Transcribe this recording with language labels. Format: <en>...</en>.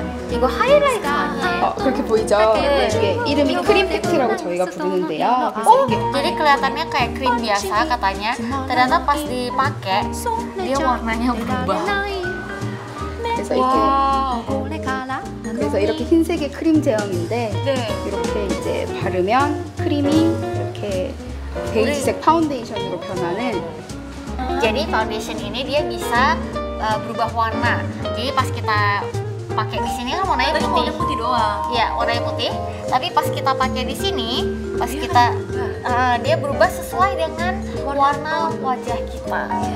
<ko>이거 하이라이트 아니에요? 그렇게 보이죠? 이게 이름이 크림 팩트라고 저희가 부르는데요. 오, 그래서</ko> <id>kelihatannya kayak krim biasa katanya. Ternyata pas dipakai, dia warnanya berubah.</id> <ko>그래서 이게 그래서 이렇게 흰색의 크림 제형인데 네. 이렇게 이제 바르면 크림이 이렇게 베이지색 파운데이션으로 변하는</ko> <id>jadi foundation ini dia bisa berubah warna. Jadi pas kita pakai di sini kan warnanya putih. Warnanya putih doang. Iya, warnanya putih. Tapi pas kita pakai di sini, pas kita dia berubah sesuai dengan warna wajah kita.</id>